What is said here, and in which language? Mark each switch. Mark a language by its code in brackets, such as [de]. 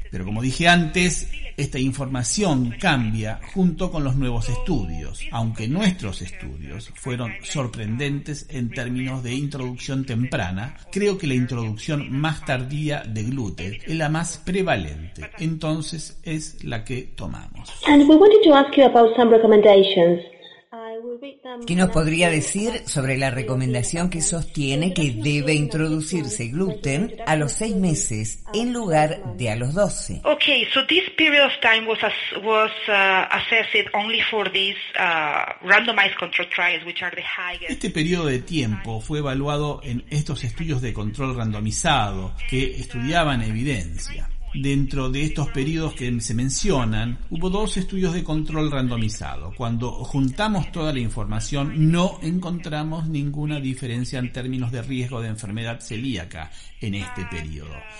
[es] Pero como dije antes, esta información cambia junto con los nuevos estudios, aunque nuestros estudios fueron sorprendentes en términos de introducción temprana, creo que la introducción más tardía de gluten es la más prevalente, entonces es la que tomamos. [en] And we wanted to ask you about some recommendations. [es] ¿Qué nos podría decir sobre la recomendación que sostiene que debe introducirse gluten a los 6 meses en lugar de a los 12? [en] Okay, so this period of time was assessed only for these randomized control trials, which are the highest. [es] Este periodo de tiempo fue evaluado en estos estudios de control randomizado que estudiaban evidencia. Dentro de estos periodos que se mencionan, hubo 2 estudios de control randomizado. Cuando juntamos toda la información, no encontramos ninguna diferencia en términos de riesgo de enfermedad celíaca en este periodo.